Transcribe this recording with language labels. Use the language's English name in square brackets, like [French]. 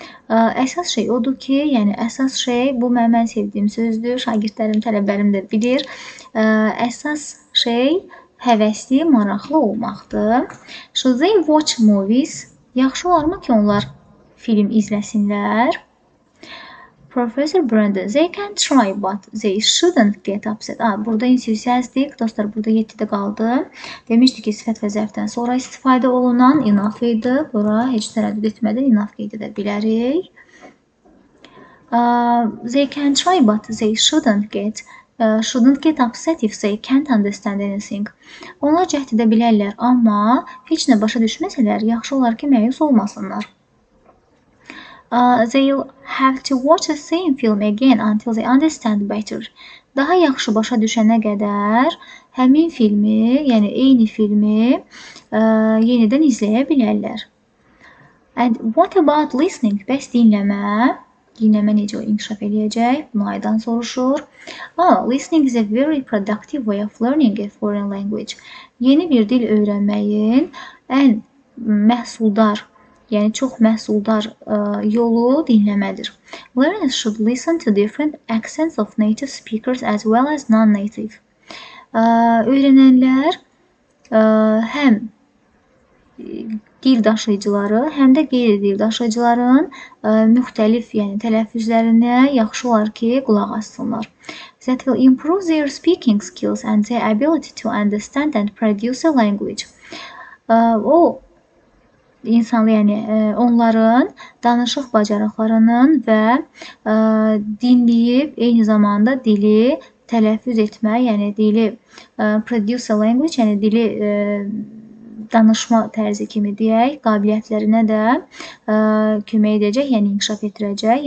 [Azerbaijani] Əsas şey odur ki, yəni əsas şey, bu mən sevdiyim sözdür, şagirdlərim, tələbələrim də bilir. Əsas şey həvəsli, maraqlı olmaqdır. [English] Should they watch movies? [Azerbaijani] Yaxşı olarmı ki, onlar film izləsinlər? [English] Professor Brandon, they can try, but they shouldn't get upset. [Azerbaijani] Burada enthusiastic, dostlar burada 7-də qaldı. Demişdi ki, sifət və zərfdən sonra istifadə olunan enough idi. Bura heç tərəddüd etmədən enough qeyd edə bilərik. [English] They can try, but they shouldn't get upset if they can't understand anything. [Azerbaijani] Onlar cəhd edə bilərlər, amma heç nə başa düşməsələr, yaxşı olar ki, məyus olmasınlar. [English] They'll have to watch the same film again until they understand better. [Azerbaijani] Daha yaxşı başa düşənə qədər həmin filmi, yəni eyni filmi yenidən izləyə bilərlər. [English] And what about listening? [Azerbaijani] Bəs dinləmə? Dinləmə necə inkişaf eləyəcək? Bunu Aydan soruşur. [English] Listening is a very productive way of learning a foreign language. [Azerbaijani] Yeni bir dil öyrənməyin ən məhsuldar, yəni çox məhsuldar yolu dinləmədir. [English] Learners should listen to different accents of native speakers as well as non-native. [Azerbaijani] Öyrənənlər həm dil daşıyıcıları, həm də qeyri-dil daşıyıcıların müxtəlif, yəni tələffüzlərinə yaxşı olar ki, qulaq assınlar. [English] that will improve their speaking skills and their ability to understand and produce a language. [Azerbaijani] O insan yani onların danışıq bacarıqlarının və dinliyib eyni zamanda dili tələffüz etmə, yəni dili [English] produce a language, [Azerbaijani] yəni dili danışma tərzi kimi deyək, qabiliyyətlərinə də kömək edəcək, yəni inkişaf etdirəcək.